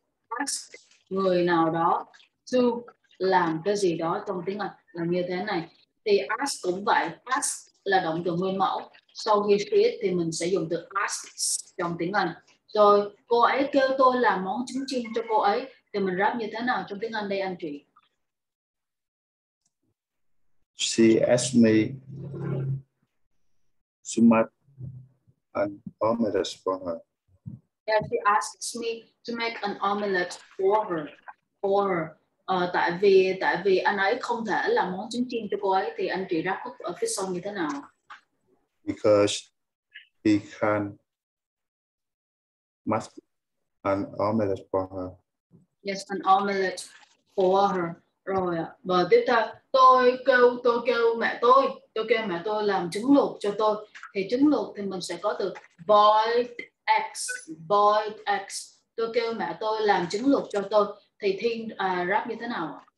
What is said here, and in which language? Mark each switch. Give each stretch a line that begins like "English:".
Vietnamese: Ask người nào đó to làm cái gì đó trong tiếng Anh là như thế này. Thì ask cũng vậy, ask là động từ nguyên mẫu. Sau khi speak thì mình sẽ dùng từ ask trong tiếng Anh. Rồi cô ấy kêu tôi làm món trứng chiên cho cô ấy, thì mình rap như thế nào trong tiếng Anh đây anh chị?
English: She asked me to make an omelette for her. Yeah, she asks me to make an omelette for her. For her.
Vietnamese: Tại vì anh ấy không thể làm món trứng chiên cho cô ấy, thì anh chị rap ở phía sau như thế nào?
English: Because he can't make an omelette for her. Yes, an omelette for her.
Vietnamese: Rồi ạ, và tiếp theo, tôi kêu mẹ tôi làm trứng luộc cho tôi. Thì trứng luộc thì mình sẽ có từ boiled eggs, boiled eggs. Tôi kêu mẹ tôi làm trứng luộc cho tôi. Thì Thiên rap như thế nào?